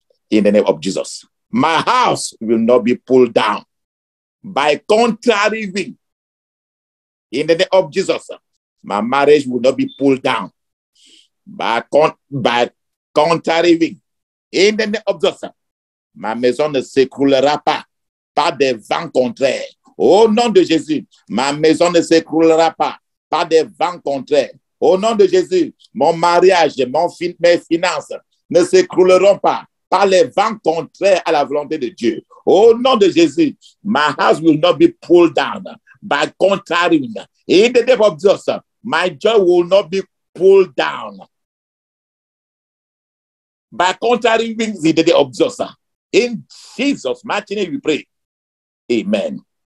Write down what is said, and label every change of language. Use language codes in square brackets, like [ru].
[en] In the name of Jesus. My house will not be pulled down by contrary wind. In the name of Jesus. My marriage will not be pulled down by contrary wind. In the name of Jesus. [fr] Ma maison ne s'écroulera pas par des vents contraires. Au nom de Jésus, ma maison ne s'écroulera pas par des vents contraires. Au nom de Jésus, mon mariage, mes finances ne s'écrouleront pas par les vents contraires à la volonté de Dieu. Au nom de Jésus, [en] my house will not be pulled down by contrary wind. In the name of Jesus, my joy will not be pulled down by contrary winds. In the name of Jesus, in Jesus' mighty name we pray. Amen.